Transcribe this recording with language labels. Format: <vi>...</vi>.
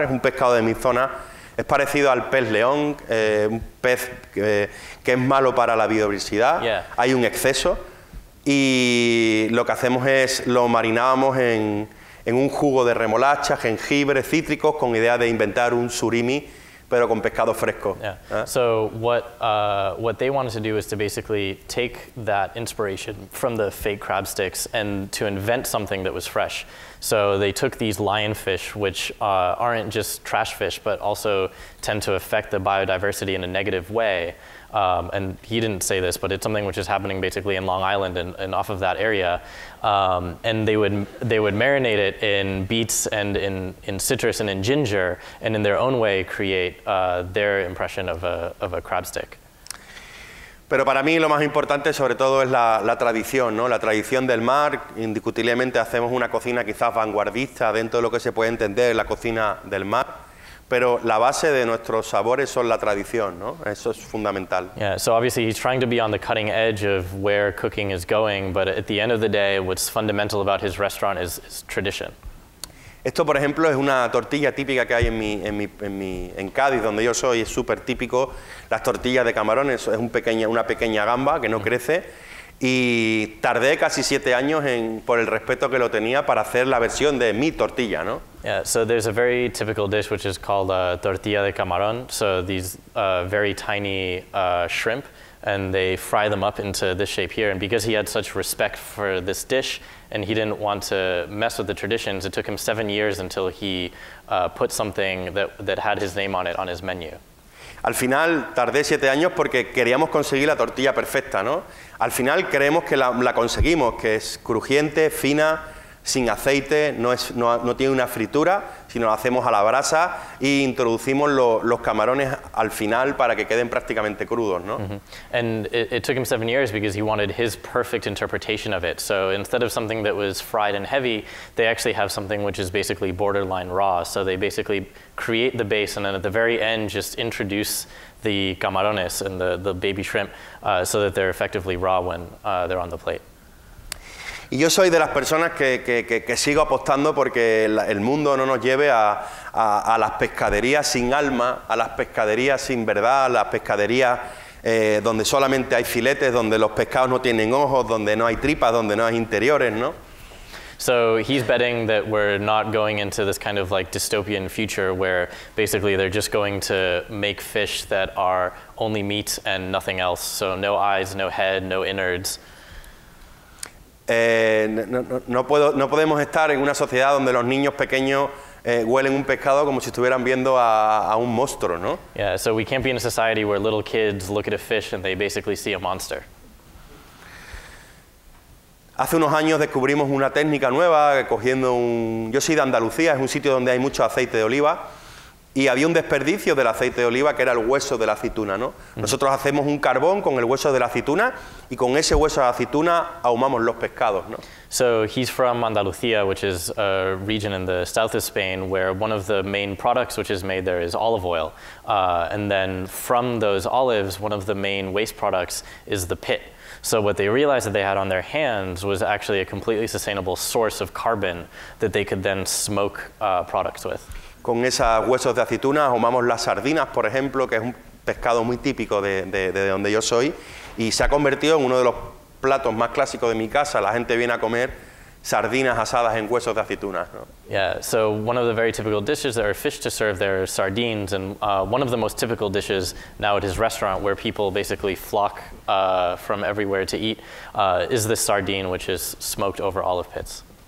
<es>Es un pescado de mi zona. Es parecido al pez león, un pez que es malo para la biodiversidad.</es> <en>Yeah.</en> <es>Hay un exceso. Y lo que hacemos es lo marinábamos en un jugo de remolacha, jengibre, cítricos, con idea de inventar un surimi, pero con pescado fresco.</es> <en>Yeah. So what they wanted to do is to basically take that inspiration from the fake crab sticks and to invent something that was fresh. So they took these lionfish, which aren't just trash fish, but also tend to affect the biodiversity in a negative way. And he didn't say this, but it's something which is happening basically in Long Island and off of that area. And they would marinate it in beets and in citrus and in ginger, and in their own way create their impression of a crab stick.</en> <es>Pero para mí lo más importante, sobre todo, es la tradición, ¿no? La tradición del mar. Indiscutiblemente hacemos una cocina quizás vanguardista dentro de lo que se puede entender la cocina del mar. Pero la base de nuestros sabores son la tradición, ¿no? Eso es fundamental.</es> <en>Yeah, so obviously he's trying to be on the cutting edge of where cooking is going, but at the end of the day, what's fundamental about his restaurant is tradition.</en> <es>Esto, por ejemplo, es una tortilla típica que hay en Cádiz, donde yo soy, es súper típico. Las tortillas de camarones, es una pequeña gamba que no crece. Y tardé casi 7 años por el respeto que lo tenía para hacer la versión de mi tortilla, ¿no?</es> <en>Yeah, so there's a very typical dish which is called tortilla de camarón. So these very tiny shrimp, and they fry them up into this shape here. And because he had such respect for this dish, and he didn't want to mess with the traditions, it took him 7 years until he put something that had his name on it on his menu.</en> <es>Al final tardé 7 años porque queríamos conseguir la tortilla perfecta, ¿no? Al final creemos que la conseguimos, que es crujiente, fina, sin aceite, no tiene una fritura, sino la hacemos a la brasa e introducimos los camarones al final para que queden prácticamente crudos, ¿no? Mm-hmm.</es> <en>And it took him 7 years because he wanted his perfect interpretation of it. So instead of something that was fried and heavy, they actually have something which is basically borderline raw. So they basically create the base and then at the very end just introduce the camarones and the baby shrimp so that they're effectively raw when they're on the plate.</en> <es>Y yo soy de las personas que sigo apostando porque el mundo no nos lleve a las pescaderías sin alma, a las pescaderías sin verdad, a las pescaderías donde solamente hay filetes, donde los pescados no tienen ojos, donde no hay tripas, donde no hay interiores, ¿no?</es> <en>So he's betting that we're not going into this kind of like dystopian future where basically they're just going to make fish that are only meat and nothing else. So no eyes, no head, no innards.</en> <es>No podemos estar en una sociedad donde los niños pequeños huelen un pescado como si estuvieran viendo a un monstruo, ¿no?</es> <en>Yeah, so we can't be in a society where little kids look at a fish and they basically see a monster.</en> <es>Hace unos años descubrimos una técnica nueva, yo soy de Andalucía, es un sitio donde hay mucho aceite de oliva, y había un desperdicio del aceite de oliva que era el hueso de la aceituna, ¿no? Nosotros hacemos un carbón con el hueso de la aceituna y con ese hueso de aceituna ahumamos los pescados, ¿no?</es> <en>So he's from Andalucía, which is a region in the south of Spain, where one of the main products which is made there is olive oil. And then from those olives, one of the main waste products is the pit. So what they realized that they had on their hands was actually a completely sustainable source of carbon that they could then smoke products with.</en> <es>Con esos huesos de aceituna ahumamos las sardinas, por ejemplo, que es un pescado muy típico de donde yo soy, y se ha convertido en uno de los platos más clásicos de mi casa. La gente viene a comer sardinas asadas en huesos de aceituna, ¿no?</es> <en>Yeah, so one of the very typical dishes that are fish to serve there are sardines, and one of the most typical dishes now at his restaurant where people basically flock from everywhere to eat is this sardine, which is smoked over olive pits.</en>